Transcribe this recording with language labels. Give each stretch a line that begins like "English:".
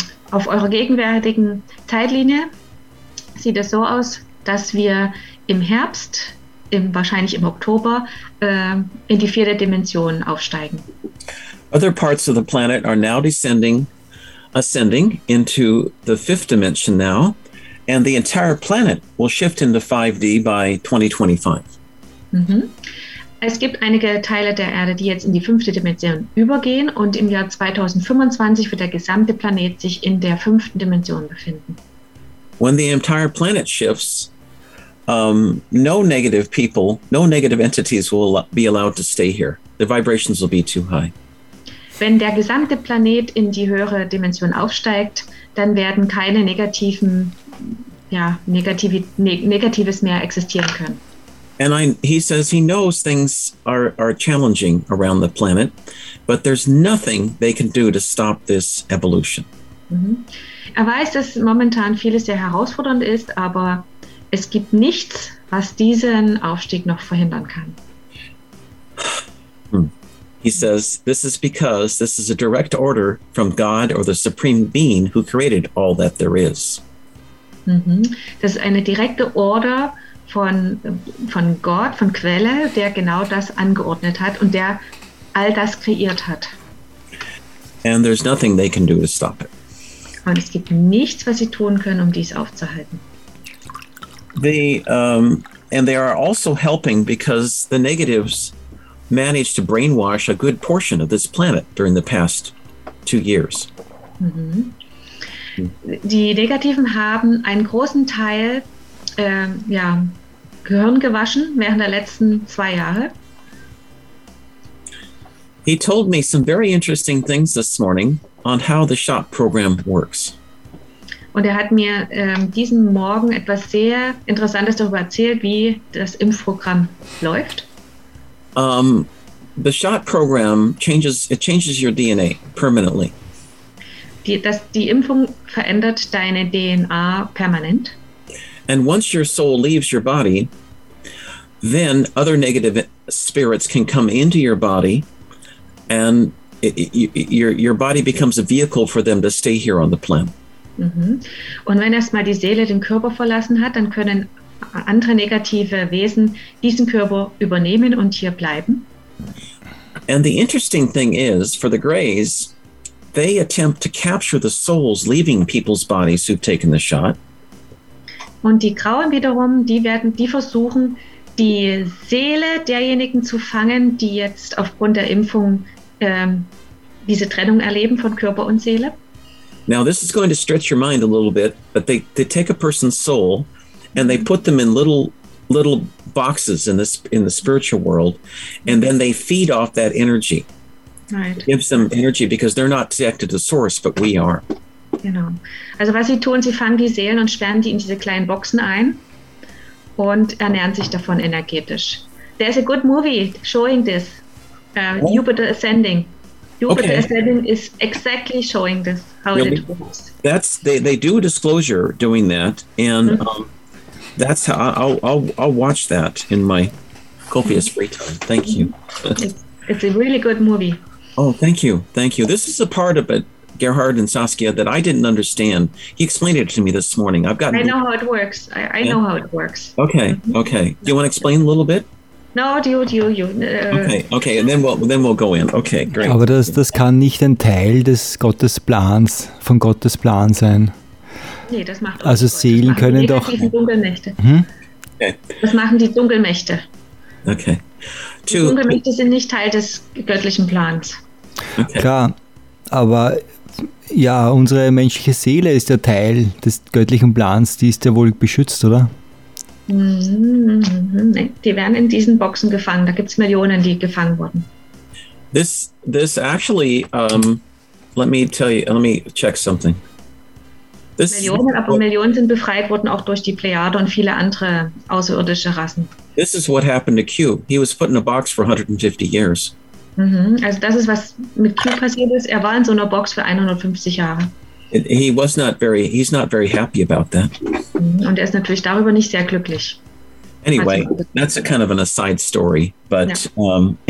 German: Auf eurer gegenwärtigen Zeitlinie sieht es so aus, dass wir im Herbst, wahrscheinlich im Oktober, in die vierte Dimension aufsteigen.
English: Other parts of the planet are now ascending into the fifth dimension now, and the entire planet will shift into 5D by 2025. Mm-hmm.
German: Es gibt einige Teile der Erde, die jetzt in die fünfte Dimension übergehen, und im Jahr 2025 wird der gesamte Planet sich in der fünften Dimension befinden.
English: When the entire planet shifts, no negative people, no negative entities will be allowed to stay here. The vibrations will be too high.
German: Wenn der gesamte Planet in die höhere Dimension aufsteigt, dann werden keine negativen, negatives mehr existieren können.
English: And he says he knows things are challenging around the planet, but there's nothing they can do to stop this evolution. Mm-hmm.
German: Er weiß, dass momentan vieles sehr herausfordernd ist, aber es gibt nichts, was diesen Aufstieg noch verhindern kann.
English: He says, this is because this is a direct order from God or the Supreme Being who created all that there is. Mm-hmm.
German: Das ist eine direkte Order von Gott, von Quelle, der genau das angeordnet hat und der all das kreiert hat.
English: And there's nothing they can do to stop it.
German: Und es gibt nichts, was sie tun können, um dies aufzuhalten.
English: And they are also helping because the negatives managed to brainwash a good portion of this planet during the past 2 years. Mm-hmm.
German: Die Negativen haben einen großen Teil Gehirn gewaschen während der letzten 2 Jahre.
English: He told me some very interesting things this morning on how the shot program works.
German: Und hat mir diesen Morgen etwas sehr Interessantes darüber erzählt, wie das Impfprogramm läuft.
English: The shot program changes your DNA permanently.
German: Die Impfung verändert deine DNA permanent.
English: And once your soul leaves your body, then other negative spirits can come into your body and your body becomes a vehicle for them to stay here on the planet.
German: Und wenn erstmal die Seele den Körper verlassen hat, dann können andere negative Wesen diesen Körper übernehmen und hier bleiben.
English: And the interesting thing is, for the Greys, they attempt to capture the souls leaving people's bodies who've taken the shot.
German: Und die Grauen wiederum, die versuchen, die Seele derjenigen zu fangen, die jetzt aufgrund der Impfung diese Trennung erleben von Körper und Seele.
English: Now this is going to stretch your mind a little bit, but they take a person's soul and they put them in little boxes in the spiritual world, and then they feed off that energy. Right. Gives them energy because they're not connected to source, but we are.
German: Genau. Also was sie tun, sie fangen die Seelen und sperren die in diese kleinen Boxen ein und ernähren sich davon energetisch.
English: There's a good movie showing this. Jupiter Ascending. Jupiter Ascending is exactly showing this, how it works. That's they do a disclosure doing that, and that's how I'll watch that in my copious free time. Thank you. It's a really good movie. Oh, thank you. Thank you. This is a part of it, Gerhard and Saskia, that I didn't understand. He explained it to me this morning. I know how it works. I know how it works. Okay. Okay. Do you want to explain a little bit? No, you. Okay. And then we'll go in. Okay, great.
German: Aber das kann nicht ein Teil des Gottesplans, von Gottesplan sein. Nee, das macht also Gott. Seelen können doch... Das machen die Dunkelmächte. Okay. Die Dunkelmächte sind nicht Teil des göttlichen Plans. Okay. Klar, aber ja, unsere menschliche Seele ist ja Teil des göttlichen Plans, die ist ja wohl beschützt, oder? Nee, die werden in diesen Boxen gefangen, da gibt es Millionen, die gefangen wurden.
English: This actually, let me check something.
German: Millionen, aber Millionen sind befreit worden auch durch die Plejade und viele andere außerirdische Rassen.
English: This is what happened to Q. He was put in a box for 150 years.
German: Also das ist, was mit Q passiert ist. Er war in so einer Box für 150 Jahre.
English: He's not very happy about that.
German: Und er ist natürlich darüber nicht sehr glücklich.
English: Anyway, that's a kind of an aside story. But ja.